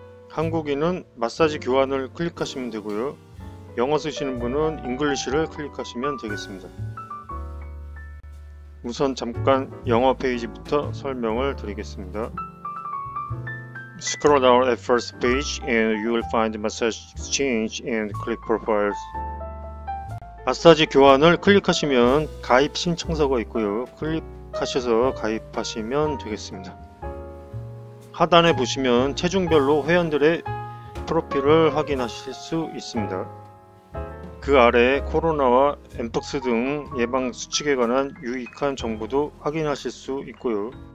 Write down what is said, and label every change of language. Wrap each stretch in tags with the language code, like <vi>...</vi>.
<ko>한국인은 마사지 교환을 클릭하시면 되고요. 영어 쓰시는 분은 English를 클릭하시면 되겠습니다. 우선 잠깐 영어 페이지부터 설명을 드리겠습니다.</ko> <en>Scroll down at first page and you will find massage exchange and click profiles.</en> <ko>마사지 교환을 클릭하시면 가입 신청서가 있고요. 클릭하셔서 가입하시면 되겠습니다. 하단에 보시면 체중별로 회원들의 프로필을 확인하실 수 있습니다. 그 아래 코로나와 엠팍스 등 예방 수칙에 관한 유익한 정보도 확인하실 수 있고요.</ko>